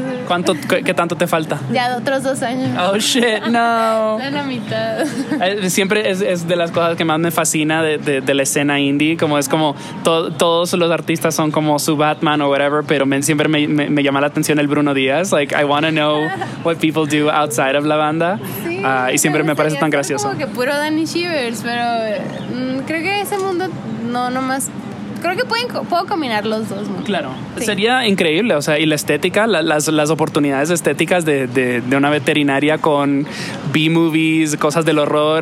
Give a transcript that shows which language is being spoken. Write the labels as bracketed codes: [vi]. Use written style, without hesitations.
[es] ¿Cuánto, qué tanto te falta? Ya de otros 2 años. [en] Oh shit, no. [es] La mitad. Siempre es de las cosas que más me fascina de la escena indie. Como es como todos los artistas son como su Batman o whatever, pero siempre me llama la atención el Bruno Díaz. [en] Like, I want to know what people do outside of la banda. [es] Sí. Y siempre me parece tan gracioso. Como que puro Danny Shivers, pero creo que ese mundo no más. Creo que puedo combinar los dos, ¿no? Claro. Sí. Sería increíble, o sea, y la estética, las oportunidades estéticas de una veterinaria con B-movies, cosas del horror.